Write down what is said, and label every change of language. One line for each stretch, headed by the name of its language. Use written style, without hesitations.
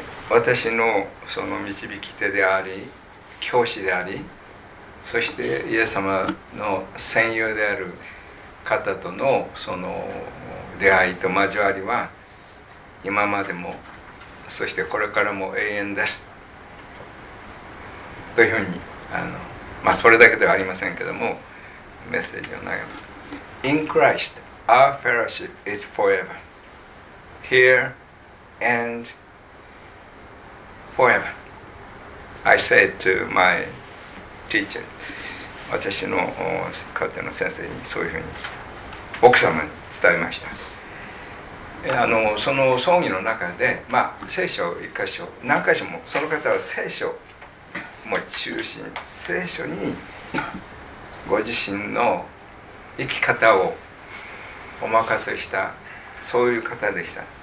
Japanese: 私のその導き手であり教師であり、そしてイエス様の戦友である方とのその出会いと交わりは今までもそしてこれからも永遠です、というふうにそれだけではありませんけども、メッセージを投げます。
English: In Christ, our fellowship is forever, here and forever. I said to my teacher,
Japanese: 私の家庭の先生にそういうふうに奥様に伝えました。その葬儀の中で、聖書一箇所何箇所も、その方は聖書も中心、聖書にご自身の生き方をお任せした、そういう方でした。